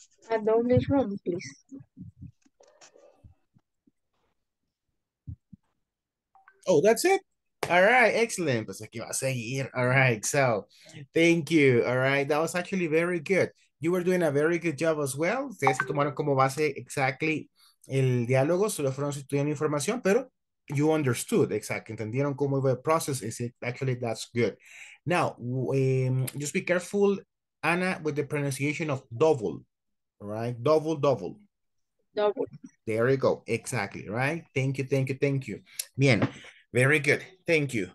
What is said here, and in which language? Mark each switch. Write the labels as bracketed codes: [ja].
[en] A double room, please. Oh, that's it? All right, excellent. [es] Pues aquí va a seguir. [en] All right, so thank you. All right, that was actually very good. You were doing a very good job as well. [es] Ustedes se tomaron como base exactly el diálogo, solo fueron sustituyendo información, pero [en] you understood exactly. [es] Entendieron cómo iba el [en] process. Is it actually that's good. Now, just be careful, Anna, with the pronunciation of double, right? Double, double. Double. There you go. Exactly, right? Thank you, thank you, thank you. Bien. Very good. Thank you.